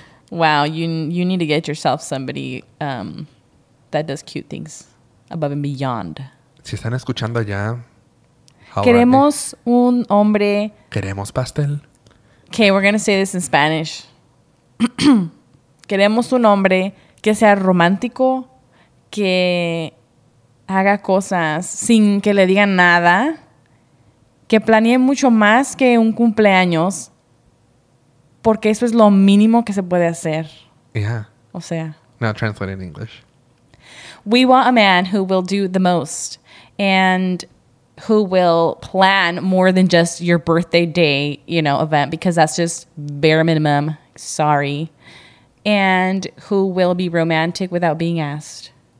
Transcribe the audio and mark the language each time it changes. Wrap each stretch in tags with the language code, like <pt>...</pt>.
<en>Wow, you need to get yourself somebody that does cute things above and beyond.</en> <es>Si están escuchando ya. Queremos un hombre. Queremos pastel.</es> <en>Okay, we're going to say this in Spanish.</en> <es>Queremos un hombre que sea romántico, que haga cosas sin que le digan nada. Que planeé mucho más que un cumpleaños, porque eso es lo mínimo que se puede hacer.</es> <en>Yeah.</en> <es>O sea.</es> <en>Now translate in English. We want a man who will do the most and who will plan more than just your birthday day, you know, event, because that's just bare minimum. Sorry. And who will be romantic without being asked.</en>